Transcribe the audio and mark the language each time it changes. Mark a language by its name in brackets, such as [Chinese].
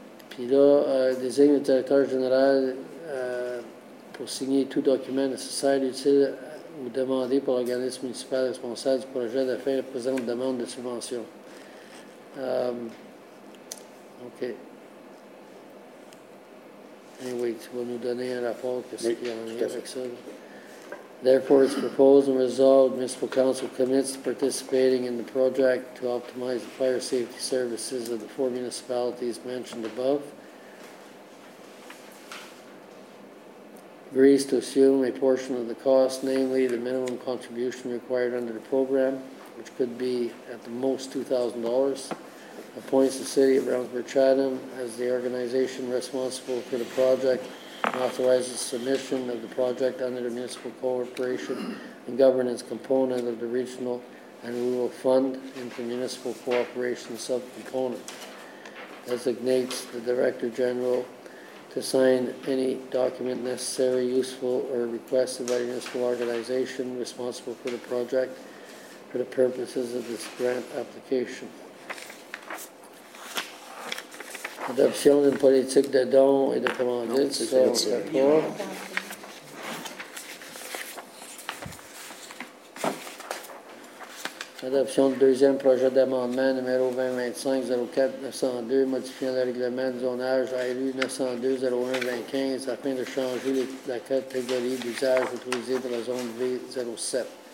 [French] Puis là, désigne le directeur général pour signer tout document nécessaire, utile ou demandé par l'organisme municipal responsable du projet de faire la présente demande de subvention. OK. Anyway, tu vas nous donner un rapport qu'est-ce qu'il y en a avec ça. [English] Therefore, it's proposed and resolved the municipal council commits to participating in the project to optimize the fire safety services of the four municipalities mentioned above. Agrees to assume a portion of the cost, namely the minimum contribution required under the program, which could be at the most $2,000. Appoints the City of Brownsburg-Chatham as the organization responsible for the project authorize the submission of the project under the municipal cooperation and governance component of the regional and rural fund into municipal cooperation subcomponent. Designates the director general to sign any document necessary, useful, or requested by the municipal organization responsible for the project for the purposes of this grant application. [French] Adoption d'une politique de don et de commandite, ça, on est d'accord. Adoption du deuxième projet d'amendement numéro 2025-04-902, modifiant le règlement de zonage ARU 902-01-25 afin de changer la catégorie d'usage autorisée pour la zone V07.